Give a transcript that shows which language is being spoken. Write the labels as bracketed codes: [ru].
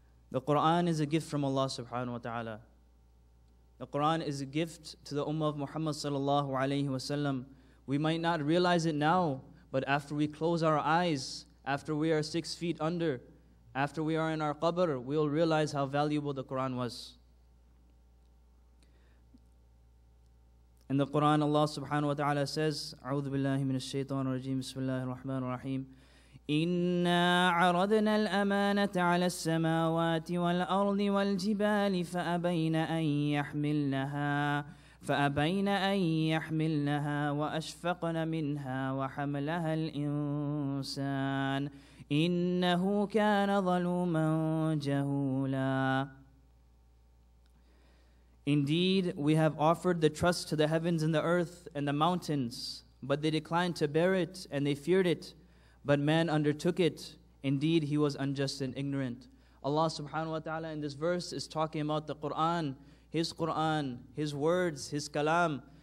[en] The Qur'an is a gift from Allah subhanahu wa ta'ala. The Qur'an is a gift to the ummah of Muhammad sallallahu alayhi wa sallam. We might not realize it now, but after we close our eyes, after we are 6 feet under, after we are in our qabr, we will realize how valuable the Qur'an was. In the Quran, Allah subhanahu wa ta'ala says, [ar] أعوذ بالله من الشيطان الرجيم بسم الله الرحمن الرحيم إنا عرضنا الأمانة على السماوات والأرض والجبال فأبين أن يحملنها فأبين أن يحملنها وأشفقن منها وحملها الإنسان إنه كان ظلوما جهولا. [en] Indeed, we have offered the trust to the heavens and the earth and the mountains, but they declined to bear it and they feared it, but man undertook it. Indeed, he was unjust and ignorant. Allah subhanahu wa ta'ala in this verse is talking about the Quran, his words, his kalam.